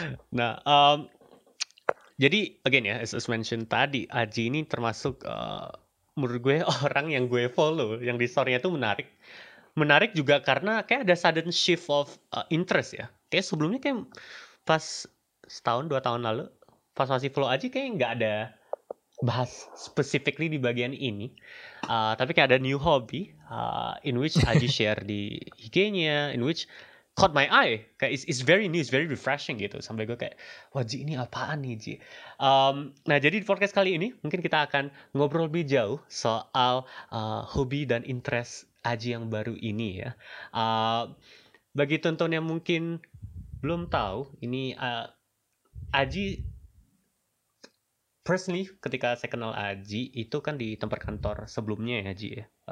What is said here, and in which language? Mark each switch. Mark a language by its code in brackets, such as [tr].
[id] Nah, jadi again ya, [en] as mentioned [id] tadi, Aji ini termasuk menurut gue orang yang gue follow, yang di story-nya tuh menarik. Menarik juga karena kayak ada [en] sudden shift of interest [id] ya. Kayak sebelumnya kayak pas setahun, dua tahun lalu, pas masih follow Aji kayak nggak ada bahas specifically di bagian ini. Tapi kayak ada [en] new hobby in which [id] Aji share di IG-nya, [en] in which caught my eye. [id] Kayak [en] it's very new, it's very refreshing [id] gitu. Sampai gue kayak, wah Ji ini apaan nih Ji? Nah jadi di podcast kali ini, mungkin kita akan ngobrol lebih jauh soal hobi dan interest Aji yang baru ini ya. Bagi tonton yang mungkin belum tahu, ini Aji personally ketika saya kenal Aji itu kan di tempat kantor sebelumnya ya Aji ya.